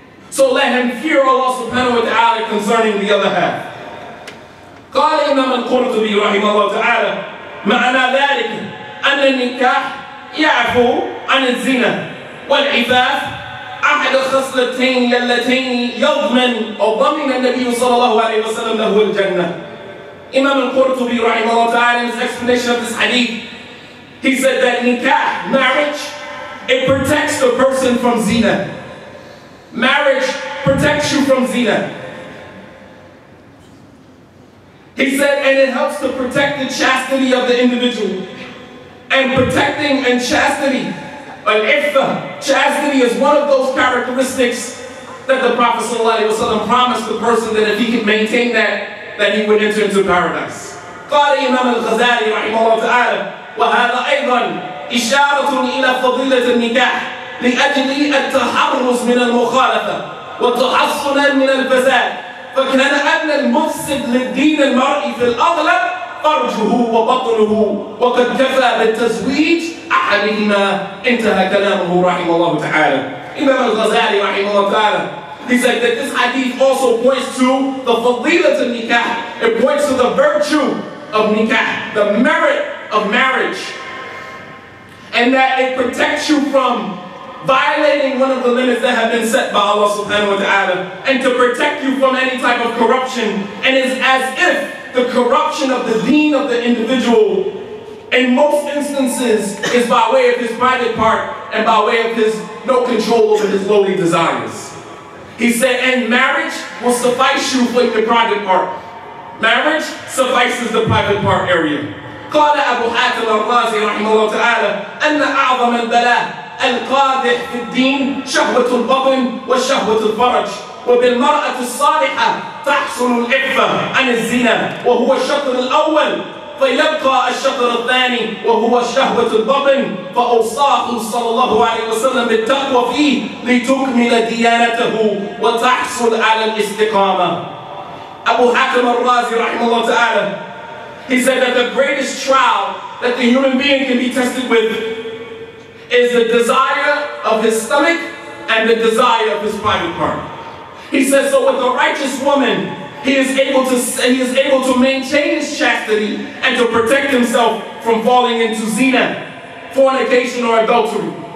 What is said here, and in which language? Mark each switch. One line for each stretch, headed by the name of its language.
English: So let him fear Allah subhanahu wa ta'ala concerning the other half.
Arabic: قال إمام القرطبي رحمه الله تعالى معنى ذلك أن النكاح يعفو عن الزنا والعفاف أحد الخصلتين اللتين يضمن أو ضمن النبي صلى الله عليه وسلم له الجنة. إمام القرطبي رحمه الله تعالى
English: in his explanation of this hadith, he said that nikah, marriage, it protects the person from zina. Marriage protects you from zina. He said, and it helps to protect the chastity of the individual. And protecting and chastity, al-iffah, chastity is one of those characteristics that the Prophet sallallahu alaihi wasallam promised the person that if he could maintain that, that he would enter into paradise.
Arabic: قال إمام الغزالي رحمه الله تعالى وهذا أيضا إشارة إلى فضيلة النكاح لأجل التحرز من المخالفة والتحصن من الفساد. فكان أن المفسد للدين المرء في الأغلب فرجه وبطنه وقد كفى بالتزويج أحدهما. انتهى كلامه رحمه الله تعالى. إمام الغزالي رحمه الله تعالى,
English: he said that this hadith also points to the
Arabic: فضيلة النكاح.
English: It points to the virtue of nikah, the merit of marriage, and that it protects you from violating one of the limits that have been set by Allah subhanahu wa ta'ala, and to protect you from any type of corruption. And it's as if the corruption of the deen of the individual in most instances is by way of his private part and by way of his no control over his lowly desires. He said, and marriage will suffice you for your private part. Marriage suffices the private part area.
Arabic: قال أبو حاتم الرازي رحمه الله تعالى أن أعظم البلاء القادح في الدين شهوة البطن وشهوة الفرج. وبالمرأة الصالحة تحصل الإفة عن الزنا وهو الشطر الأول فيلقى الشطر الثاني وهو شهوة البطن فأوصاه صلى الله عليه وسلم بالتقوى فيه لتكمل ديانته وتحصل على الاستقامة.
English: Abu Hakim al-Razi rahimahullah ta'ala, he said that the greatest trial that the human being can be tested with is the desire of his stomach and the desire of his private part. He says, so with the righteous woman, he is able to maintain his chastity and to protect himself from falling into zina, fornication or adultery.